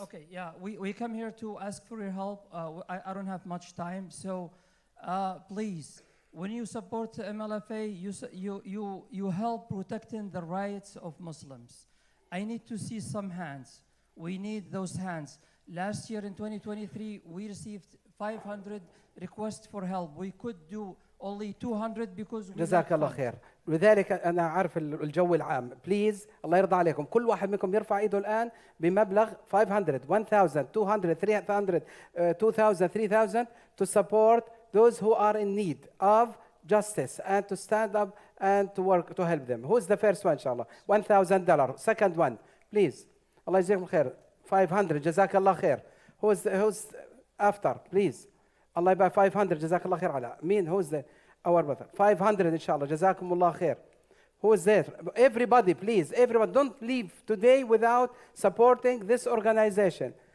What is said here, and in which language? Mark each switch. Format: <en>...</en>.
<en>Okay, yeah, we come here to ask for your help. I don't have much time, so please, when you support the MLFA, you help protecting the rights of Muslims. I need to see some hands. We need those hands. Last year in 2023, we received 500 requests for help. We could do only 200 because we</en> <ar>جزاك الله خير. لذلك انا عارف الجو العام.</ar> <en>Please,</en> <ar>الله يرضى عليكم. كل واحد منكم يرفع ايده الان بمبلغ</ar> <en>500, 1000, 200, 300, 2000, 3000 to support those who are in need of justice and to stand up and to work to help them. Who's the first one, inshallah? $1000. Second one, please.</en> <ar>الله يجزيكم خير.</ar> <en>500,</en> <ar>جزاك الله خير.</ar> <en>Who's after, please?</en> <ar>الله يبقى 500, جزاك الله خير على مين.</ar> <en>Who's the our brother?</en> <ar>500 إن شاء الله, جزاكم الله خير.</ar> <en>Who's there? Everybody, please, everyone, don't leave today without supporting this organization.</en>